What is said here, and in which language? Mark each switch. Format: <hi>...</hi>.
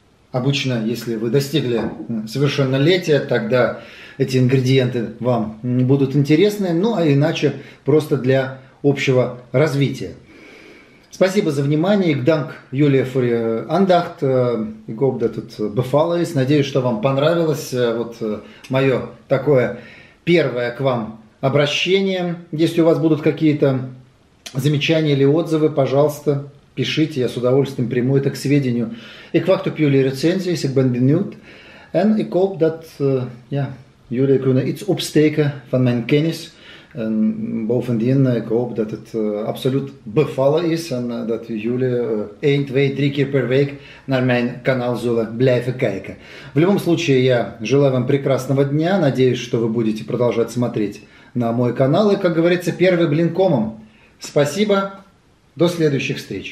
<ru>Обычно, если вы достигли совершеннолетия, тогда эти ингредиенты вам будут интересны, ну а иначе просто для общего развития. Спасибо за внимание.</ru> <nl>Ik dank jullie voor je aandacht. Ik hoop dat het bevallen is.</nl> <ru>Надеюсь, что вам понравилось вот мое такое первое к вам обращение. Если у вас будут какие-то замечания или отзывы, пожалуйста, пишите, я с удовольствием приму это к сведению.</ru> <nl>Ik wacht op jullie recensies, ik ben benieuwd. En ik hoop dat jullie kunnen iets opsteken van mijn kennis. En bovendien, ik hoop dat het absoluut bevallen is en dat jullie 1, 2, 3 keer per week naar mijn kanaal zullen blijven kijken.</nl> <ru>В любом случае, я желаю вам прекрасного дня. Надеюсь, что вы будете продолжать смотреть на мой канал. И, как говорится, первый блин комом. Спасибо. До следующих встреч.</ru>